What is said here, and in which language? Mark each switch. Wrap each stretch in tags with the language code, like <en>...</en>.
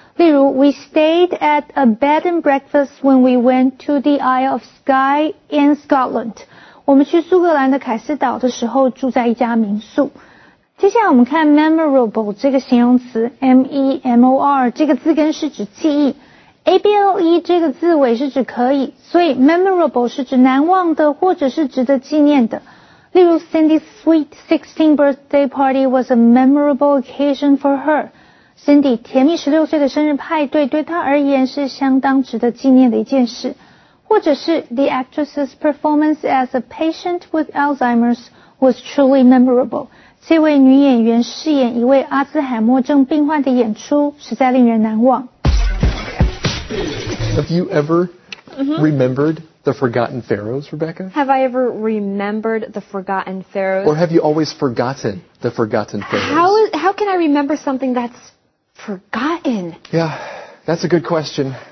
<zh>例如</zh> <en>,we stayed at a bed and breakfast when we went to the Isle of Skye in Scotland.</en> <zh>我们去苏格兰的凯斯岛的时候住在一家民宿。接下来我们看 memorable 这个形容词 ,M-E-M-O-R, 这个字根是指记忆。 A-B-L-E 这个字尾是指可以，所以 memorable 是指难忘的或者是值得纪念的。例如</zh> <en>,Cindy's sweet 16th birthday party was a memorable occasion for her.</en> <zh>Cindy 甜蜜16岁的生日派对对她而言是相当值得纪念的一件事。或者是</zh> <en>The actress's performance as a patient with Alzheimer's was truly memorable.</en> <zh>这位女演员饰演一位阿兹海默症病患的演出实在令人难忘。</zh> <en>Have you ever remembered the Forgotten Pharaohs, Rebecca? Have I ever remembered the Forgotten Pharaohs? Or have you always forgotten the Forgotten Pharaohs? How can I remember something that's... forgotten. Yeah, that's a good question.</en>